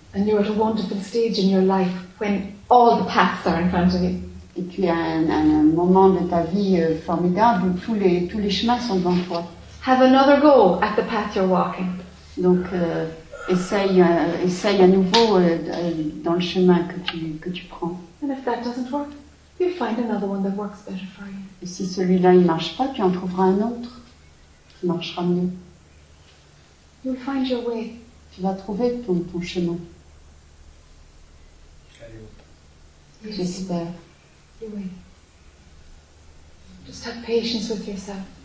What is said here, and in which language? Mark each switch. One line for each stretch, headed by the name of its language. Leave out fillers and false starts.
English: And you're at a wonderful stage in your life when all the paths are in front of you.
French: Et tu as un moment de ta vie formidable où tous les chemins sont devant toi.
English: Have another go at the path you're walking.
French: Donc essaye à nouveau dans le chemin que tu prends.
English: And if that doesn't work, you find another one that works better for you.
French: Et si celui-là il marche pas, tu en trouveras un autre qui marchera mieux.
English: You'll find your way.
French: Tu vas trouver ton chemin. J'espère.
English: Your way. Just have patience with yourself.